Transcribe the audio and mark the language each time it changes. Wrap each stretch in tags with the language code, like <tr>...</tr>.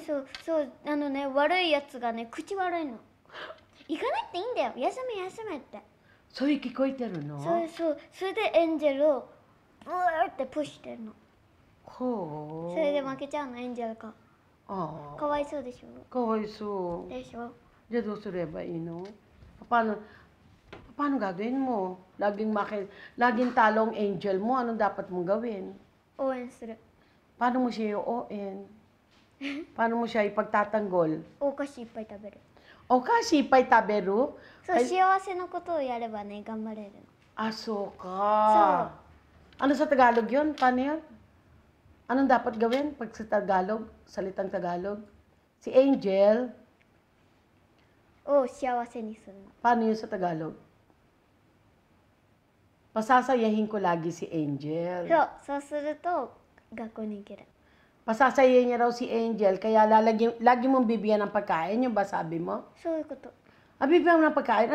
<ja>そう、そう、あのね、悪いやつがね、口悪いの。行かなくていいんだよ、休め休めって。そういう聞こえてるの？そうそう。それでエンジェルをブワーってプッシュしてるの。ほう。それで負けちゃうの、エンジェルが。ああ。かわいそうでしょ？かわいそう。でしょ？じゃあどうすればいいの？パパの</ja> <tl>gagawin mo？ laging talo ang angel mo？ Anong dapat mong gawin？</tl> <ja>応援する。</ja> <tl>Paano mo siya i-oen？ Paano mo siya ipagtatanggol？</tl> <ja>お菓子いっぱい食べる。お菓子いっぱい食べる？そう、幸せなことをやればね、頑張れるの。あ、そうか。そう。あの、さ、</ja> <tl>Tagalog yun? Paano yun? Anong dapat gawin pag sa Tagalog? Salitang Tagalog? Si Angel?</tl> <ja>O,幸せにするの。</ja> <tl>Paano yun sa Tagalog? Pasasayahin ko lagi si Angel.</tl> <ja>So, そうすると、学校に行ける。</ja> <tl>Pasasayin niya raw si Angel, kaya lagi mong bibigyan ng pagkain, yung ba sabi mo? So, yung kuto. Ah, bibigyan mo ng pagkain?</tl>